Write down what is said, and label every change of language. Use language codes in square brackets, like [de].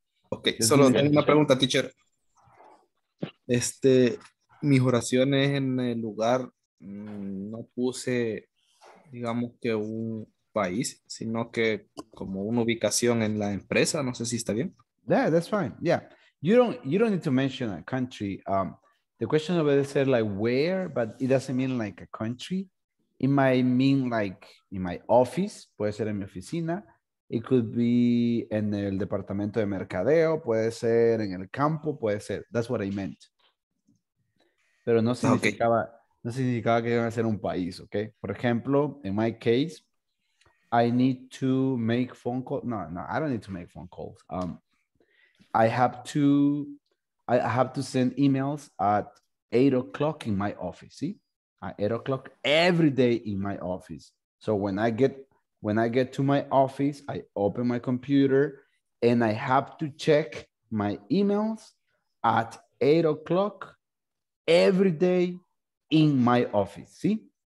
[es] Ok, solo una pregunta, teacher. Mis oraciones en el lugar, no puse, digamos que un país, sino que como una ubicación en la empresa, no sé si está bien. [en] Yeah, that's fine. Yeah. You don't need to mention a country. The question of it is like where, but it doesn't mean like a country. It might mean like in my office, [es] puede ser en mi oficina, [en] It could be [es] en el departamento de mercadeo, puede ser [en] en el campo, puede ser. That's what I meant. [es] Pero no significaba, okay. No significaba que iban a ser un país, ¿ok? Por ejemplo, [en] in my case, I need to make phone calls. No, no, I don't need to make phone calls. I have to send emails at 8 o'clock in my office, see? At 8 o'clock every day in my office. So when I get to my office, I open my computer and I have to check my emails at 8 o'clock every day in my office, see?